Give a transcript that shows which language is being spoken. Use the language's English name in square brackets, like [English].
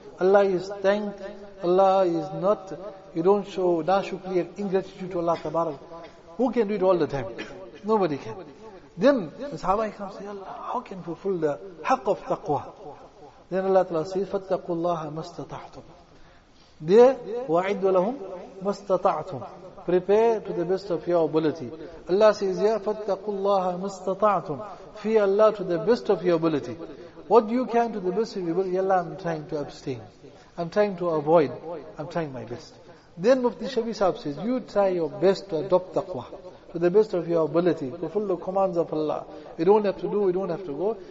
[English] Allah is thanked, Allah is not, you don't show nashukri and ingratitude to Allah Ta'ala. Who can do it all the time? Nobody can. Then the Sahaba comes, say, Allah, how can fulfill the haqq of taqwa? Then Allah Ta'ala says, [Arabic] فَاتَّقُوا اللَّهَ مَا اسْتَطَعْتُمْ. There, وَعِدُّ لَهُمْ مَا اسْتَطَعْتُمْ. [English] Prepare to the best of your ability. Allah says, yeah, [Arabic] فَاتَّقُوا اللَّهَ مَا اسْتَطَعْتُمْ. [English] Fear Allah to the best of your ability. What do you can to the best of your ability? Ya Allah, I'm trying to abstain. I'm trying to avoid. I'm trying my best. Then Mufti Shafi Sahib says, you try your best to adopt taqwa. To the best of your ability, fulfill the commands of Allah. We don't have to do, we don't have to go.